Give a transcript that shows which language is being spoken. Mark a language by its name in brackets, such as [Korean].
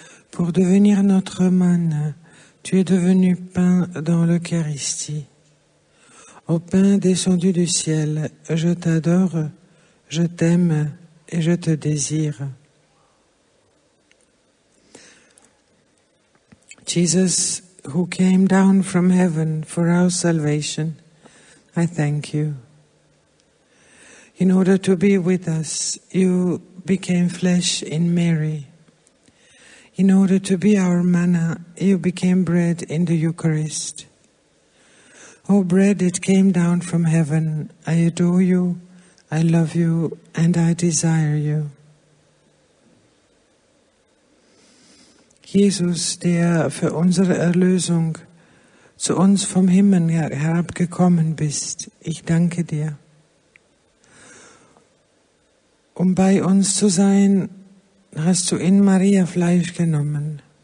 [French] Pour devenir notre manne, tu es devenu pain dans l'Eucharistie. Ô pain descendu du ciel, je t'adore, je t'aime et je te désire. [English] Jesus, who came down from heaven for our salvation, I thank you. In order to be with us, you became flesh in Mary. In order to be our manna, you became bread in the Eucharist. O bread, it came down from heaven. I adore you, I love you, and I desire you. [German] Jesus, der für unsere Erlösung zu uns vom Himmel herabgekommen bist, ich danke dir. Um bei uns zu sein, hast du in Maria Fleisch genommen.